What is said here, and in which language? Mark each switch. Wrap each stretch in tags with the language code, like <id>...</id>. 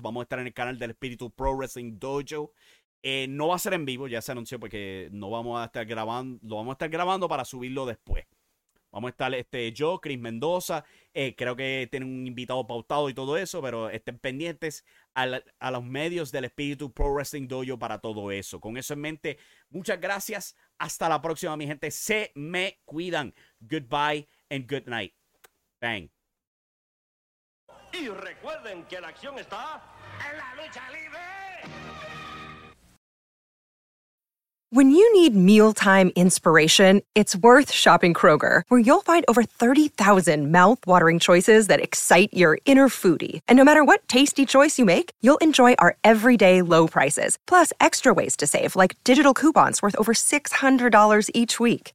<es>Vamos a estar en el canal del Espíritu Pro Wrestling Dojo. No va a ser en vivo, ya se anunció, porque no vamos a estar grabando, lo vamos a estar grabando para subirlo después. Vamos a estar yo, Chris Mendoza, creo que tienen un invitado pautado y todo eso, pero estén pendientes a los medios del Espíritu Pro Wrestling Dojo para todo eso. Con eso en mente, muchas gracias. Hasta la próxima, mi gente. Se me cuidan.</es> <en>Goodbye and good night. Bang.</en> <es>Y recuerden que la acción está... en la lucha libre.</es> <en>When you need mealtime inspiration, it's worth shopping Kroger, where you'll find over 30,000 mouthwatering choices that excite your inner foodie. And no matter what tasty choice you make, you'll enjoy our everyday low prices, plus extra ways to save, like digital coupons worth over $600 each week.</en>